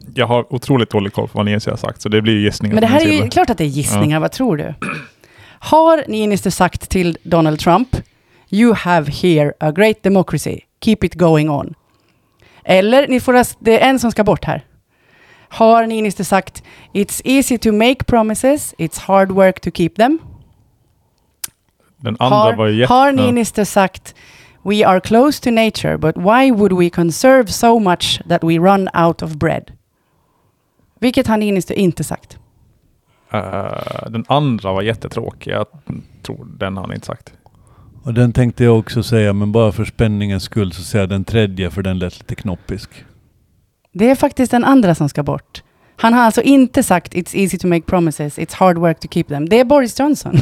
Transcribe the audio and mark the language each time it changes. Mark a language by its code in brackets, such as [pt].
[sv] Jag har otroligt dålig koll på vad Niinistö har sagt, så det blir ju gissningar. Men det här är ju klart att det är gissningar, vad tror du? Har Niinistö sagt till Donald Trump, [en] you have here a great democracy, keep it going on? [sv] Eller, ni får det är en som ska bort här. Har Niinistö sagt, [en] it's easy to make promises, it's hard work to keep them? [sv] Den andra var ju har Niinistö sagt, [en] we are close to nature, but why would we conserve so much that we run out of bread? [sv] Vilket har Niinistö inte sagt? Den andra var jättetråkig, jag tror den har han inte sagt. Och den tänkte jag också säga, men bara för spänningens skull så säger jag den tredje, för den lät lite knoppisk. Det är faktiskt den andra som ska bort. Han har alltså inte sagt [en] it's easy to make promises, it's hard work to keep them. [sv] Det är Boris Johnson.